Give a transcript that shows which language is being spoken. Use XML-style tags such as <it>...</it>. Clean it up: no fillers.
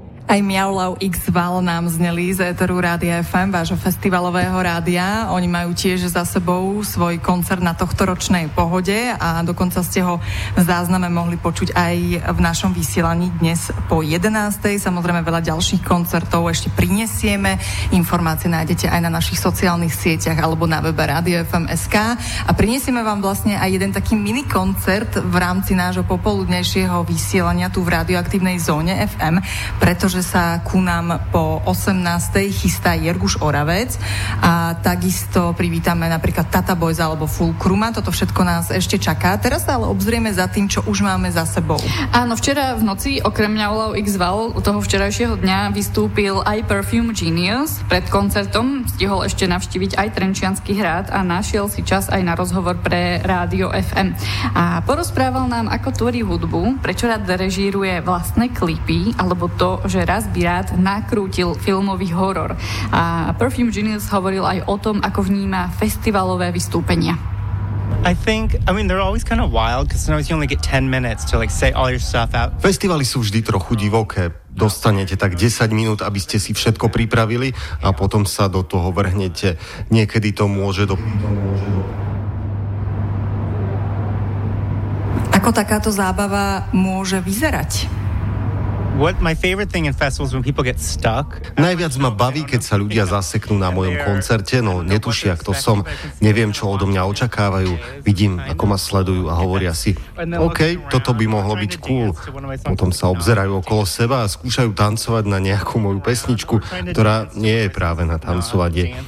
<sk>Aj Miau Lau X Val nám zneli z éteru Rádia FM, vášho festivalového rádia. Oni majú tiež za sebou svoj koncert na tohtoročnej pohode a dokonca ste ho v zázname mohli počuť aj v našom vysielaní dnes po 11. Samozrejme veľa ďalších koncertov ešte prinesieme. Informácie nájdete aj na našich sociálnych sieťach alebo na webe Rádia FM.sk a prinesieme vám vlastne aj jeden taký mini koncert v rámci nášho popoludnejšieho vysielania tu v radioaktívnej zóne FM, preto že sa ku nám po 18. chystá Jerguš Oravec a takisto privítame napríklad Tata Boys alebo Fulcruma. Toto všetko nás ešte čaká. Teraz ale obzrieme za tým, čo už máme za sebou. Áno, včera v noci, okrem Miau Lau X Val, toho včerajšieho dňa, vystúpil aj Perfume Genius. Pred koncertom stihol ešte navštíviť aj Trenčiansky hrad a našiel si čas aj na rozhovor pre Rádio FM. A porozprával nám, ako tvorí hudbu, prečo rád režíruje vlastné klipy, alebo to, že raz by rád nakrútil filmový horor. A Perfume Genius hovoril aj o tom, ako vníma festivalové vystúpenia.</sk> <en>I think they're always kind of wild because sometimes you only get 10 minutes to like say all your stuff out.</en> <sk>Festivaly sú vždy trochu divoké. Dostanete tak 10 minút, aby ste si všetko pripravili a potom sa do toho vrhnete. Niekedy to môže do... Ako takáto zábava môže vyzerať?</sk> <en>What my favorite thing in festivals when people get stuck.</en> <sk>Najviac ma baví, keď sa ľudia zaseknú na mojom koncerte, no netušia, kto som, neviem, čo odo mňa očakávajú, vidím, ako ma sledujú a hovoria si, OK, toto by mohlo byť cool. Potom sa obzerajú okolo seba a skúšajú tancovať na nejakú moju pesničku, ktorá nie je práve na tancovanie.</sk>